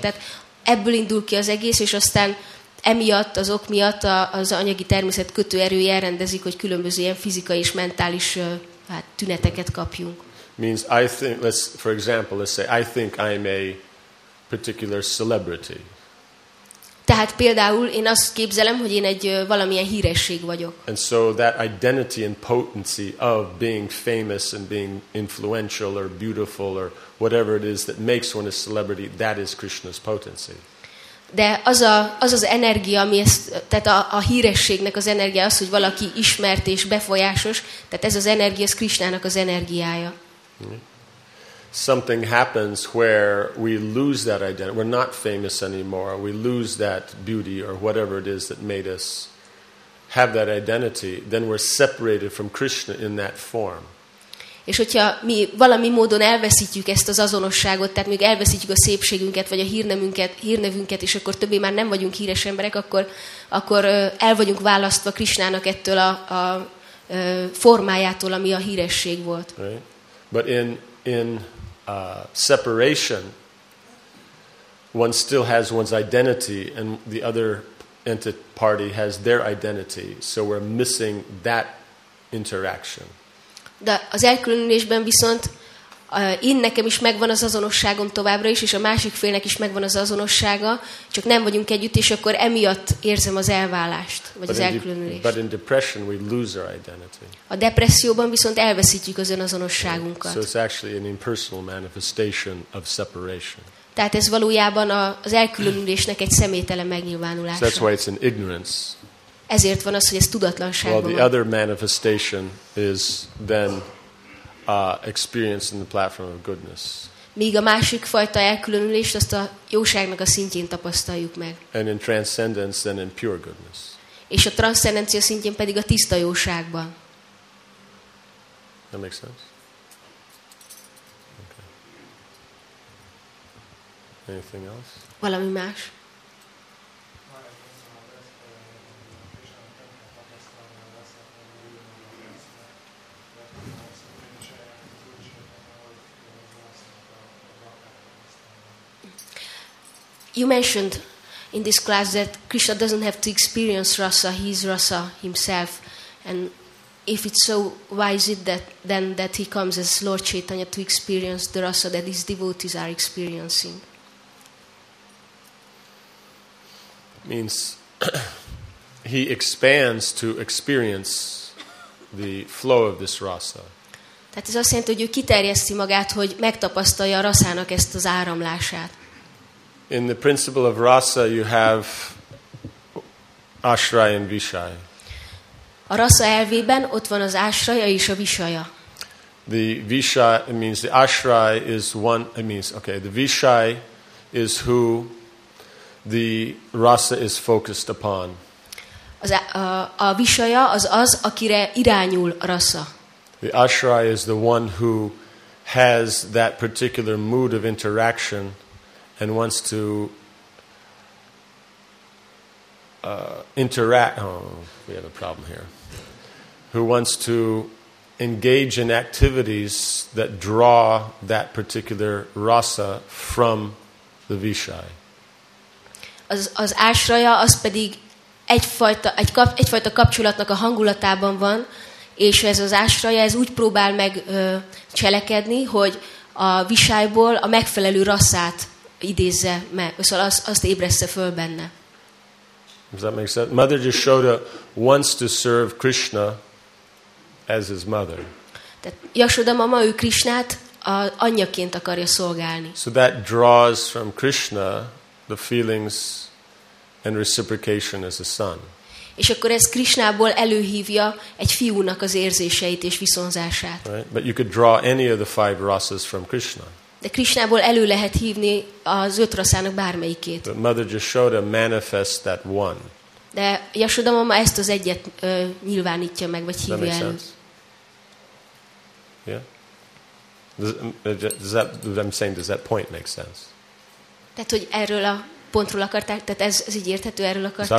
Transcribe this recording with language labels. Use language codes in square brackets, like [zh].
[hu] Tehát ebből indul ki az egész, és aztán emiatt, az ok miatt az anyagi természet kötőerői elrendezik, hogy különböző ilyen fizikai és mentális tüneteket kapjunk. [en] Means I think, let's say, I think I'm a particular celebrity. [hu] Tehát például én azt képzelem, hogy én egy valamilyen híresség vagyok. [en] And so that identity and potency of being famous and being influential or beautiful or whatever it is that makes one a celebrity, that is Krishna's potency. [hu] De az energia, ami ezt, tehát a hírességnek az energia az, hogy valaki ismert és befolyásos, tehát ez az energia, ez Krishnának az energiája. [en] something happens where we lose that identity. We're not famous anymore. We lose that beauty or whatever it is that made us have that identity. Then we're separated from Krishna in that form. [hu] És hogyha mi valami módon elveszítjük ezt az azonosságot, tehát még elveszítjük a szépségünket, vagy a hírnevünket, és akkor többé már nem vagyunk híres emberek, akkor el vagyunk választva Krisnának ettől a formájától, ami a híresség volt. [en] Right. But in separation, one still has one's identity, and the other party has their identity, so we're missing that interaction. [hu] De az elkülönülésben viszont én nekem is megvan az azonosságom továbbra is, és a másik félnek is megvan az azonossága, csak nem vagyunk együtt, és akkor emiatt érzem az elválást, vagy [en] but [hu] az elkülönülést. [en] But in depression we lose our identity. [hu] A depresszióban viszont elveszítjük az önazonosságunkat. [en] So it's actually an impersonal manifestation of separation. [hu] Tehát ez valójában az elkülönülésnek egy személytelen megnyilvánulása. [en] So that's why it's an ignorance. [hu] Ezért van az, hogy ez tudatlanságban. [en] Well, the other manifestation is then experienced in the platform of goodness. [hu] Míg a másik fajta elkülönülést, azt a jóságnak a szintjén tapasztaljuk meg. [en] And in transcendence, then in pure goodness. [hu] És a transzcendencia szintjén pedig a tiszta jóságban. [en] That makes sense? Okay. Anything else? [hu] Valami más? [en] You mentioned in this class that Krishna doesn't have to experience rasa, he is rasa himself. And if it's so, why is it that then that he comes as Lord Chaitanya to experience the rasa that his devotees are experiencing? Means he expands to experience the flow of this rasa. [hu] Tehát ez azt jelenti, hogy ő kiterjeszti magát, hogy megtapasztalja a rasának ezt az áramlását. [en] In the principle of rasa, you have ashraya and vishaya. [hu] A rasa elvében ott van az ashraya és a vishaya. [en] The vishaya means the ashraya is one. It means okay. The vishaya is who the rasa is focused upon. [hu] A vishaya az az, akire irányul a rasa. [en] The ashraya is the one who has that particular mood of interaction and wants to interact. Oh, we have a problem here. Who wants to engage in activities that draw that particular rasa from the vishaya. [hu] Az ashraya az pedig egyfajta kapcsolatnak a hangulatában van, és ez az ashraya ez úgy próbál meg cselekedni, hogy a vishayból a megfelelő rasát idézze meg, szóval azt ébreszte föl benne. [en] Does that make sense? Mother Yashoda wants to serve Krishna as his mother. [hu] Tehát Yashoda mama ő Krishnát anyjaként akarja szolgálni. [en] So that draws from Krishna the feelings and reciprocation as a son. [hu] És akkor ez Krishnából előhívja egy fiúnak az érzéseit és viszonzását. [en] Right? But you could draw any of the five rasas from Krishna. [hu] De Krishnából elő lehet hívni az öt raszának bármelyikét. [en] But Mother Yashoda manifests that one. [hu] De Yashoda mama ezt az egyet nyilvánítja meg, vagy hívja elő. [en] Does that, I'm saying, does that point make sense? [hu] Tehát, hogy erről a pontról akarták, tehát ez így érthető, erről akarták.